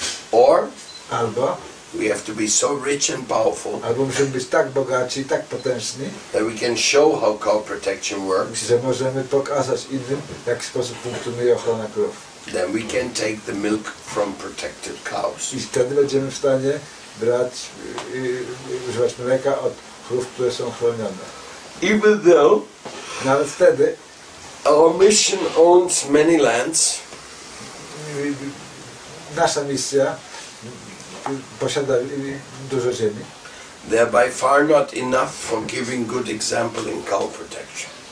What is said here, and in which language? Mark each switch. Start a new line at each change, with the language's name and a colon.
English: Or we have to be so rich and powerful that we can show how cow protection works. Then we can take the milk from protected cows.
Polish: I wtedy będziemy w stanie brać używać mleka od krów, które są chronione.
English: Even though
Polish: nawet wtedy
English: our mission owns many lands.
Polish: Nasza misja posiada dużo ziemi.
English: They are by far not enough for giving good example in cow protection.